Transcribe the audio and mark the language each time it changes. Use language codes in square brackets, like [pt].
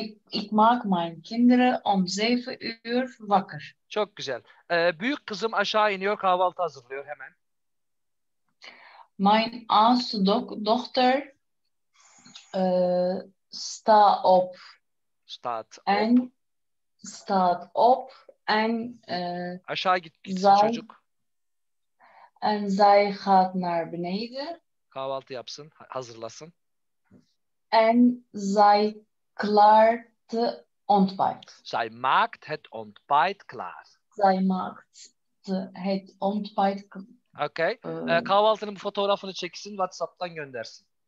[nl] ik maak mijn kinderen om 7 uur wakker. [tr] Çok güzel. Büyük kızım aşağı iniyor kahvaltı hazırlıyor hemen. [nl] Mijn oudste dochter staat op en [tr] aşağı gitsin çocuk. [nl] En zij gaat naar beneden. [tr] Kahvaltı yapsın, hazırlasın. [nl] En zij klaart het ontbijt. Zij maakt het ontbijt klaar. Zij maakt het ontbijt klaar. Okay. [tr] Kahvaltının fotoğrafını çeksin, WhatsApp'tan göndersin.